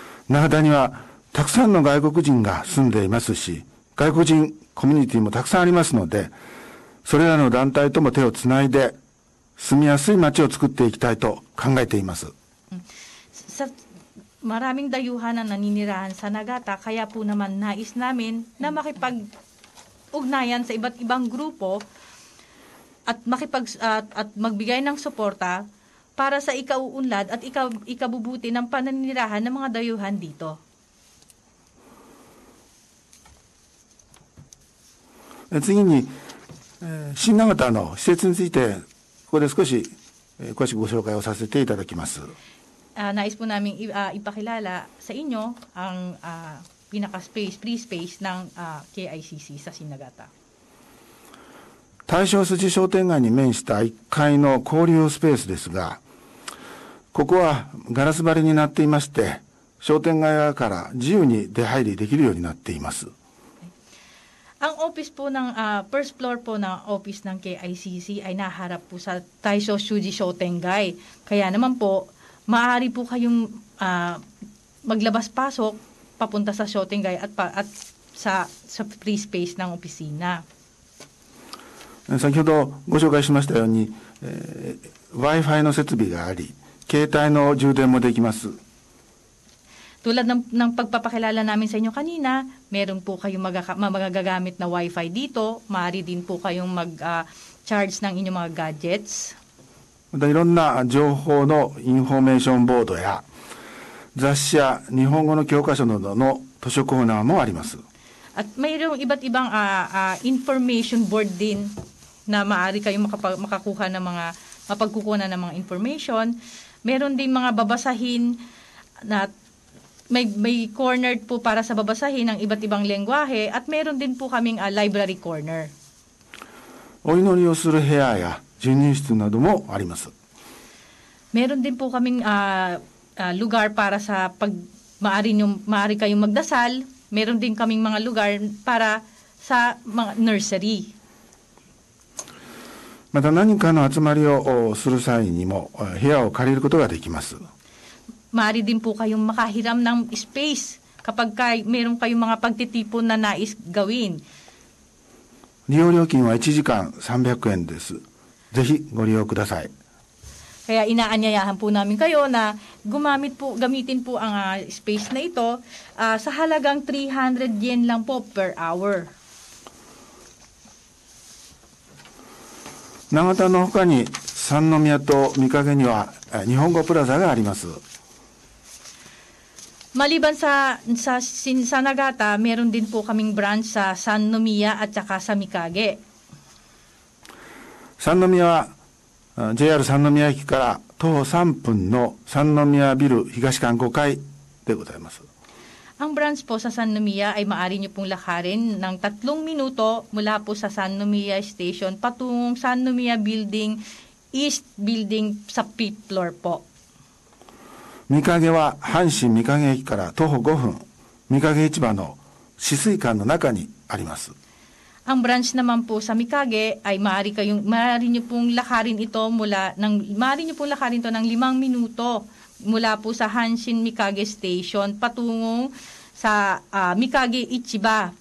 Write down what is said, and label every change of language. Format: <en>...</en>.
<ja>Nagata にはたくさんの外国人が住んでいますし、外国人コミュニティもたくさんありますので、それらの団体とも手をつないで住みやすい街を作っていきたいと考えています。</ja> <tl>Sa maraming dayuhan na naninirahan sa Nagata, kaya po naman nais namin na makipag-ugnayan sa iba't ibang grupo at at magbigay ng suporta para sa ikauunlad at ikabubuti ng pananirahan ng mga dayuhan dito. At</tl> <ja>次に新永田の施設についてここで少し詳しくご紹介をさせていただきます。</ja> <tl>Nais po namin ipakilala sa inyo ang pinaka-space, free space ng KICC sa Shinagata.</tl> <ja>大正筋商店街に面した1階の交流スペースですが、ここはガラス張りになっていまして、商店街側から自由に出入りできるようになっています。</ja> <tl>Ang office po ng first floor po ng office ng KICC ay naharap po sa大正筋商店街. Kaya naman po, maaari po kayong maglabas-pasok papunta sa Siotinggay at pa, at sa free space ng opisina.</tl> <ja>先ほどご紹介しましたように、Wi-Fi の設備があり、携帯の充電もできます。</ja> <tl>Tulad ng pagpapakilala namin sa inyo kanina, meron po kayong magagamit na Wi-Fi dito. Maaari din po kayong mag-charge ng inyong mga gadgets.</tl> <ja>またいろんな情報のインフォメーションボードや雑誌や日本語の教科書などの図書コーナーもあります。</ja> <tl>At mayroong iba't ibang information board din na maaari kayong makakuha ng mga, mapagkukunan ng mga information. Meron din mga babasahin na may corner po para sa babasahin ng iba't ibang lengguahe at meron din po kaming library corner.</tl> <ja>お祈りをする部屋や授乳室などもあります。</ja> <tl>Meron din po kaming lugar para sa pag maaari kayong magdasal. Meron din kaming mga lugar para sa mga nursery.</tl> <ja>また何かの集まりをする際にも部屋を借りることができます。</ja> <tl>Maaari din po kayong makahiram ng space kapag meron kayong mga pagtitipon na nais gawin.</tl> <ja>利用料金は1時間300円です。ぜひご利用ください。</ja> <tl>Kaya inaanyayahan po namin kayo na gamitin po ang space na ito sa halagang 300 yen lang po per hour.</tl> <ja>長田の他に三宮と御影には日本語プラザがあります。</ja> <tl>Maliban sa Nagata, meron din po kaming branch sa San Nomiya at saka sa Mikage.</tl> <ja>San Nomiya は JR 三宮駅から徒歩3分の三宮ビル東館5階でございます。</ja> <tl>Ang branch po sa San Nomiya ay maaari niyo pong lakarin ng 3 minuto mula po sa San Nomiya Station patungong San Nomiya Building, East Building sa 5th floor po.</tl> <ja>三影は阪神三影駅から徒歩5分、三影市場の止水館の中にあります。</ja> <tl>Ang branch naman po sa Mikage ay maaari niyo pong lakarin ito ng 5 minuto mula po sa Hanshin Mikage Station patungo sa Mikage Ichiba.</tl>